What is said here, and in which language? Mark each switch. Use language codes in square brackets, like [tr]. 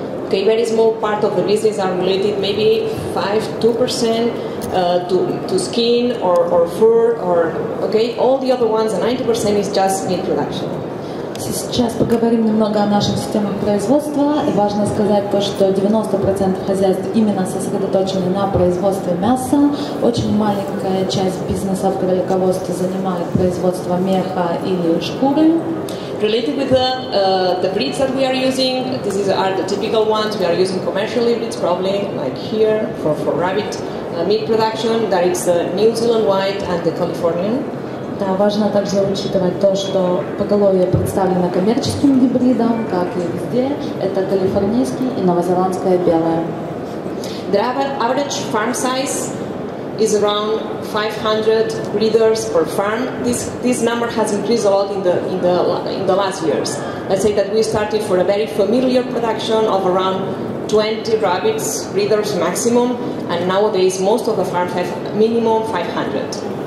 [en] Okay, very small part of the business are related, maybe 5-2% to skin or fur or okay, all the other ones, 90% is just meat production. [ru] Сейчас поговорим немного о наших системах производства. Важно сказать то, что 90% хозяйств именно сосредоточены на производстве мяса. Очень маленькая часть бизнеса в кролиководстве занимает производство меха или шкуры. [en] Related with the breeds that we are using, these are the typical ones we are using commercially, it's probably like here for rabbit meat production, that it's the New Zealand White and the Californian. [ru] Да, важно также учитывать то, что поголовье представлено коммерческим гибридом, как и везде. Это калифорнийский и новозеландское белое. [en] The average farm size is around 500 breeders per farm. This number has increased a lot in the last years. Let's say that we started for a very familiar production of around 20 rabbits breeders maximum, and nowadays most of the farms have minimum 500.